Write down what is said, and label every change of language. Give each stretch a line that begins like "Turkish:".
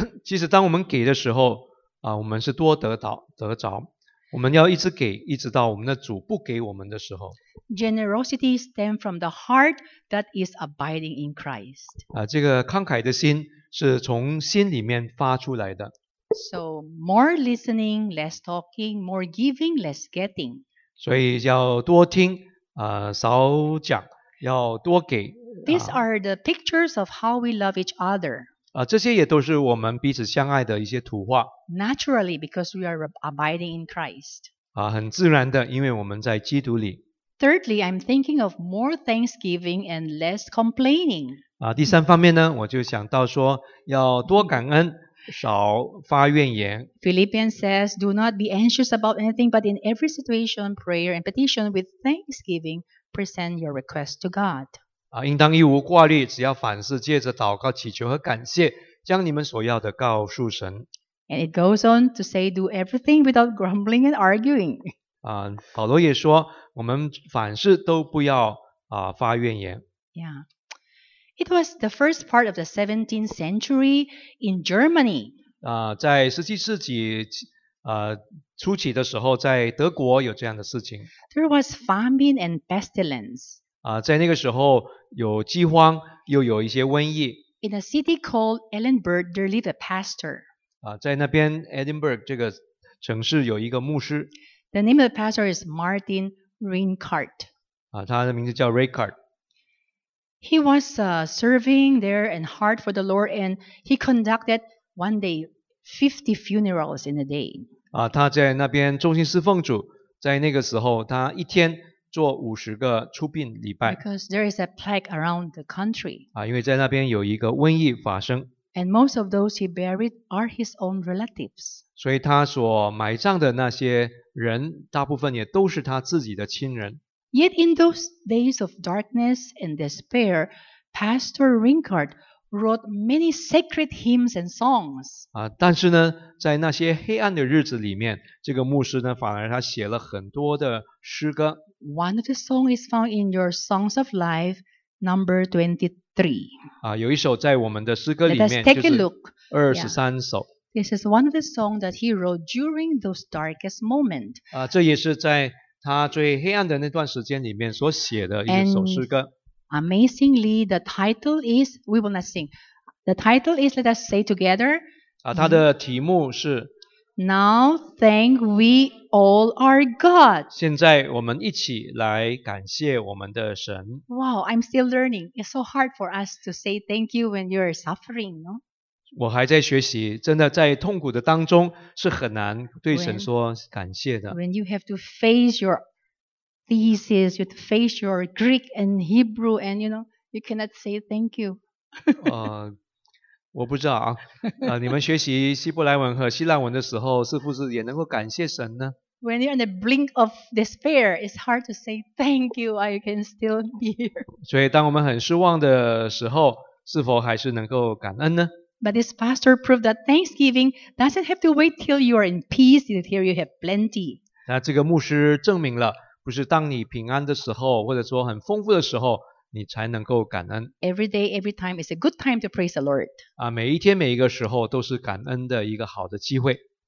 Chinese: 其实当我们给的时候，我们是多得着。我们要一直给，一直到我们的主不给我们的时候。
English: Generosity stems from the heart that is abiding in Christ.
Chinese: 这个慷慨的心是从心里面发出来的。
English: So more listening, less talking, more giving, less getting.
Chinese: 所以要多听，少讲，要多给。
English: These are the pictures of how we love each other.
Chinese: 这些也都是我们彼此相爱的一些图画。
English: Naturally, because we are abiding in Christ.
Chinese: 很自然的，因为我们在基督里。
English: Thirdly, I'm thinking of more thanksgiving and less complaining.
Chinese: 第三方面呢，我就想到说要多感恩，少发怨言。
English: Philippians says, do not be anxious about anything, but in every situation, prayer and petition with thanksgiving, present your request to God.
Chinese: 应当一无挂虑，只要凡事借着祷告、祈求和感谢，将你们所要的告诉神。
English: And it goes on to say, do everything without grumbling and arguing.
Chinese: 保罗也说，我们凡事都不要发怨言。 Yeah.
English: It was the first part of the 17th century in Germany.
Chinese: 在17世纪初期的时候，在德国有这样的事情。
English: There was famine and pestilence.
Chinese: 在那个时候有饥荒，又有一些瘟疫。
English: In a city called Edinburgh, there lived a pastor.
Chinese: 在那边 Edinburgh 这个城市有一个牧师。
English: The name of the pastor is Martin Reinhardt.
Chinese: 他的名字叫 Reinhardt.
English: He was serving there and hard for the Lord, and he conducted one day 50 funerals in a day.
Chinese: 他在那边忠心侍奉主，在那个时候，他一天做五十个出殡礼拜。
English: Because there is a plague around the country.
Chinese: 因为在那边有一个瘟疫发生。
English: And most of those he buried are his own relatives.
Chinese: 所以他所埋葬的那些人，大部分也都是他自己的亲人。
English: Yet in those days of darkness and despair, Pastor Reinhardt wrote many sacred hymns and songs.
Chinese: 但是呢，在那些黑暗的日子里面，这个牧师呢，反而他写了很多的诗歌。
English: One of the songs is found in your Songs of Life, number 23.
Chinese: 有一首在我们的诗歌里面，
English: Let us take a look.
Chinese: 就是二十三首。 Yeah.
English: This is one of the songs that he wrote during those darkest moments.
Chinese: 这也是在他最黑暗的那段时间里面所写的一首诗歌。
English: And amazingly, the title is, we will not sing. The title is, let us say together.
Chinese: 他的题目是
English: Now thank we all our God.
Chinese: 现在我们一起来感谢我们的神。
English: Wow, I'm still learning. It's so hard for us to say thank you when you're suffering, no?
Chinese: 我还在学习，真的在痛苦的当中是很难对神说感谢的。
English: When you have to face your thesis, you have to face your Greek and Hebrew, and you know, you cannot say thank you.
Chinese: 我不知道啊，你们学习希伯来文和希腊文的时候，是不是也能够感谢神呢？
English: When you're in the blink of despair, it's hard to say thank you. I can still be here.
Chinese: 所以当我们很失望的时候，是否还是能够感恩呢？
English: But this pastor proved that thanksgiving doesn't have to wait till you are in peace, until you have plenty.
Chinese: 那这个牧师证明了，不是当你平安的时候，或者说很丰富的时候，你才能够感恩。
English: Every day, every time is a good time to praise the Lord.
Chinese: 每一天每一个时候都是感恩的一个好的机会。